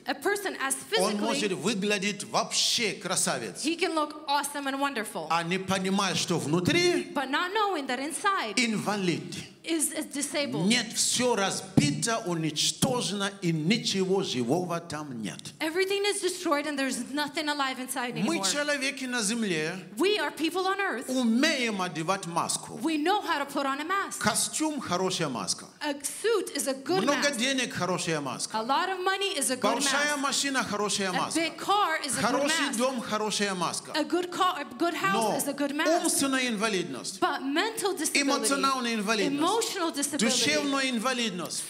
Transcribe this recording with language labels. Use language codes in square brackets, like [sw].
[en] a person as physically, [ru] он может выглядеть вообще красавец. [en] He can look awesome and wonderful. [ru] А не понимая, что внутри, [en] but not knowing that inside, [ru] инвалид. [en] Is disabled. [ru] Нет, все разбито, уничтожено, и ничего живого там нет. [en] Everything is destroyed and there's nothing alive inside [ru] мы [en] anymore. [ru] Мы человеки на земле. [en] We are people on earth. [ru] Умеем одевать маску. [en] We know how to put on a mask. [ru] Костюм хорошая маска. [en] A suit is a good [ru] много [en] mask. [ru] Много денег хорошая маска. [en] A lot of money is a good [ru] большая Большая машина хорошая маска. [en] A big car is a [ru] хороший [en] good [ru] дом [en] mask. [ru] Хорошая маска. [en] A good car, a good house is a good mask. [ru] Умственная инвалидность. [en] But mental disability. [ru] Эмоциональная инвалидность. [en] Emotional disability, [ru] душевная инвалидность,